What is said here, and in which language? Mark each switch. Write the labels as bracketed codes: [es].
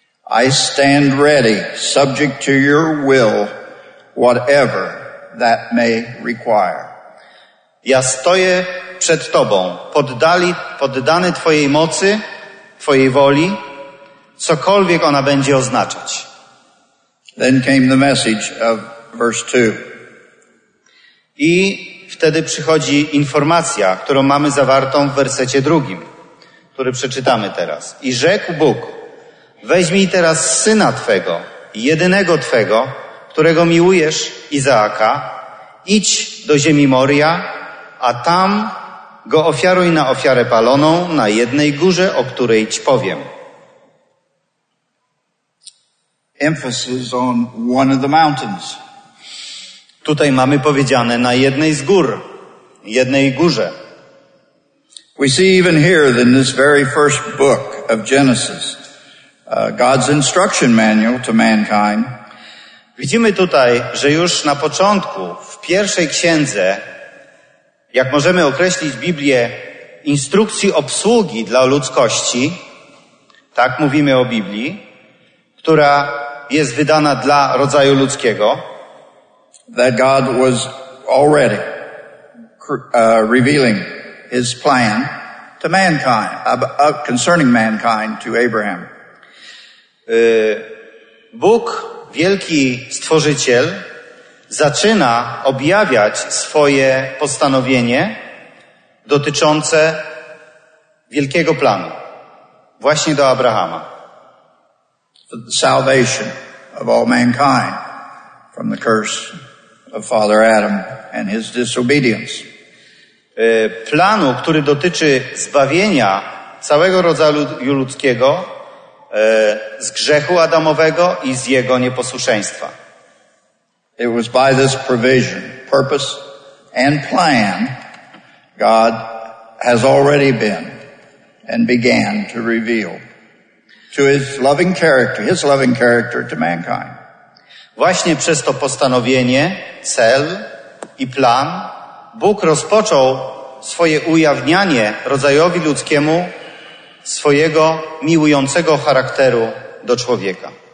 [en] I stand ready, subject to your will, whatever that may require. [pl] Ja stoję przed Tobą, poddany Twojej mocy, Twojej woli, cokolwiek ona będzie oznaczać. [en] Then came the message of verse 2. [pl] I wtedy przychodzi informacja, którą mamy zawartą w wersecie drugim, który przeczytamy teraz. I rzekł Bóg: weźmij teraz syna Twego, jedynego Twego, którego miłujesz, Izaaka, idź do ziemi Moria, a tam go ofiaruj na ofiarę paloną na jednej górze, o której ci powiem. [en] Emphasis on one of the mountains. [pl] Tutaj mamy powiedziane na jednej z gór, jednej górze. [en] We see even here in this very first book of Genesis, God's instruction manual to mankind. [pl] Widzimy tutaj, że już na początku, w pierwszej księdze, jak możemy określić Biblię, instrukcji obsługi dla ludzkości, tak mówimy o Biblii, która jest wydana dla rodzaju ludzkiego, [en] that God was already revealing his plan to mankind, concerning mankind to Abraham. [pl] Bóg, wielki stworzyciel, zaczyna objawiać swoje postanowienie dotyczące wielkiego planu właśnie do Abrahama. [en] The salvation of all mankind from the curse of Father Adam and his disobedience. [pl] Planu, który dotyczy zbawienia całego rodzaju ludzkiego z grzechu Adamowego i z jego nieposłuszeństwa. [en] It was by this provision, purpose and plan, God has already been and began to reveal to his loving character to mankind. [pl] Właśnie przez to postanowienie, cel i plan, Bóg rozpoczął swoje ujawnianie rodzajowi ludzkiemu swojego miłującego charakteru do człowieka.